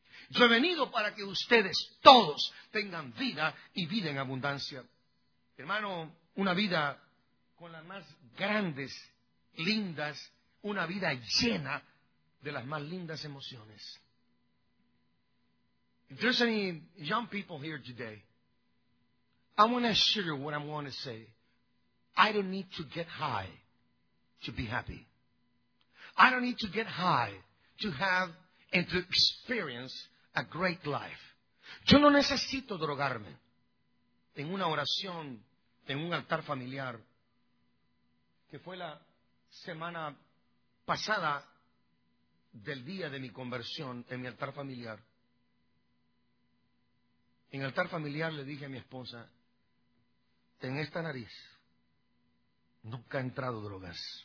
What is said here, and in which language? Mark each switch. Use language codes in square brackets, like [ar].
[es] Yo he venido para que ustedes todos tengan vida y vida en abundancia. Hermano, una vida con las más grandes, lindas, una vida llena de las más lindas emociones. [en] If there's any young people here today, I want to assure you what I want to say. I don't need to get high to be happy. I don't need to get high to have and to experience a great life. [es] Yo no necesito drogarme. En una oración, en un altar familiar, que fue la semana pasada del día de mi conversión, en mi altar familiar, En altar familiar le dije a mi esposa, en esta nariz nunca ha entrado drogas.